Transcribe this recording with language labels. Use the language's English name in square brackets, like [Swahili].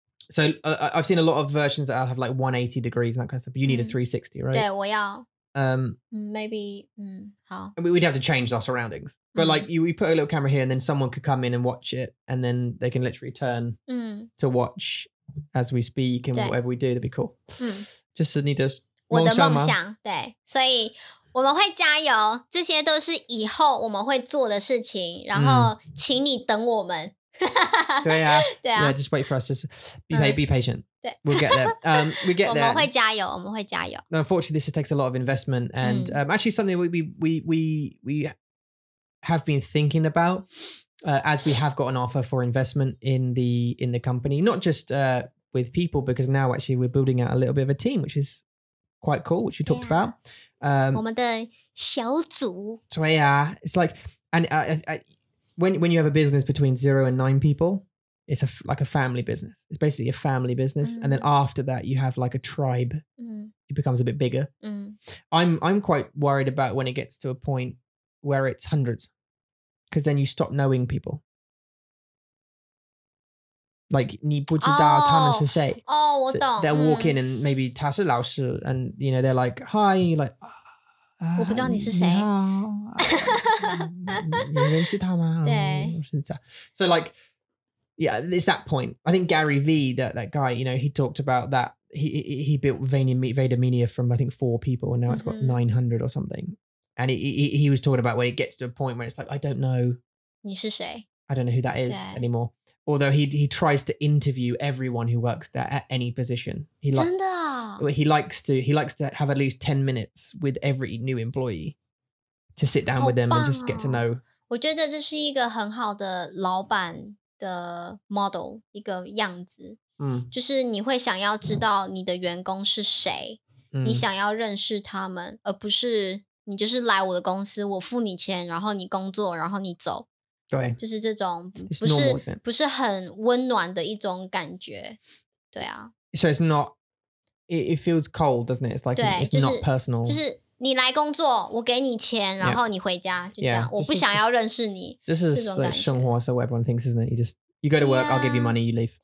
[English] So I've seen a lot of versions that have like 180 degrees and that kind of stuff. But you need a 360, right? [Chinese] 对，我要。Maybe, [English] We'd have to change our surroundings. But like you put a little camera here and then someone could come in and watch it and then they can literally turn to watch as we speak and whatever we do. That'd be cool. Just need to... [Chinese] 我的梦想，对，所以我们会加油，这些都是以后我们会做的事情，然后请你等我们。对啊，对啊， [English] yeah, just wait for us. Just be patient. We'll get there. We get there. [Chinese] 我们会加油，我们会加油。 [English] Unfortunately, this takes a lot of investment, and actually, something we have been thinking about as we have got an offer for investment in the company, not just with people, because now actually we're building out a little bit of a team, which is quite cool, which we talked about. [Chinese] 我们的小组。对啊，it's [English] like and. When you have a business between 0 and 9 people, it's like a family business. It's basically a family business. Mm. And then after that, you have like a tribe. Mm. It becomes a bit bigger. Mm. I'm quite worried about when it gets to a point where it's hundreds, because then you stop knowing people. Like, [Chinese] 你不知道他们是谁. Oh, 我懂. [English] So they'll walk in and maybe [Chinese] 他是老师, [English] and you know, they're like, hi, you're like... [Chinese] 我不知道你是谁。你认识他吗？对。So [English] like, yeah, it's that point. I think Gary V, that guy, you know, he talked about that. He built VaynerMedia from, I think, 4 people, and now it's got 900 or something. And he was talking about when it gets to a point where it's like, I don't know. [Chinese] 你是谁? [English] I don't know who that is anymore. Although he tries to interview everyone who works there at any position. He likes to have at least 10 minutes with every new employee to sit down with them and just get to know. [Chinese] 我觉得这是一个很好的老板的 model, 一个样子。就是你会想要知道你的员工是谁，你想要认识他们，而不是你就是来我的公司，我付你钱，然后你工作，然后你走。对，就是这种不是很温暖的一种感觉，对啊。 [English] So it's not, it feels cold, doesn't it? It's like it's not personal. [Chinese] 就是你来工作，我给你钱，然后你回家，就这样。我不想要认识你。这是生活，so [English] what everyone thinks, isn't it? You just go to work, I'll give you money, you leave.